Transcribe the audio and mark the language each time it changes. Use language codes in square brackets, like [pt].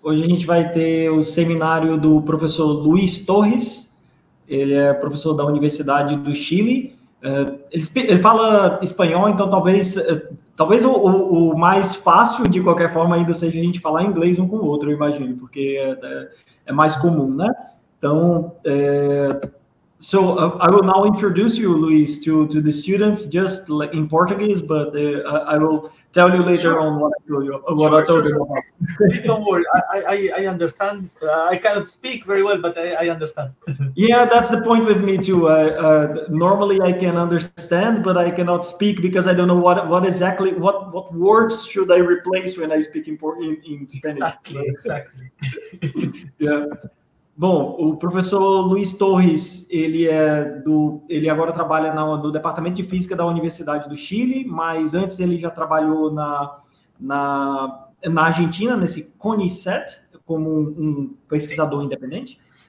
[pt] Hoje a gente vai ter o seminário do professor Luiz Torres. Ele é professor da Universidade do Chile. Ele fala espanhol, então talvez o mais fácil de qualquer forma ainda seja a gente falar inglês um com o outro, eu imagino, porque é mais comum, né? Então, [en] so I will now introduce you, Luis, to the students, just in Portuguese, but I will tell you later on what I told you. Please don't worry. I understand. I cannot speak very well, but I understand. Yeah, that's the point with me too. Normally I can understand, but I cannot speak because I don't know what words should I replace when I speak in Spanish. Exactly. Yeah. [pt] Bom, o professor Luiz Torres, ele agora trabalha no Departamento de Física da Universidade do Chile, mas antes ele já trabalhou na Argentina, nesse CONICET, como um pesquisador independente.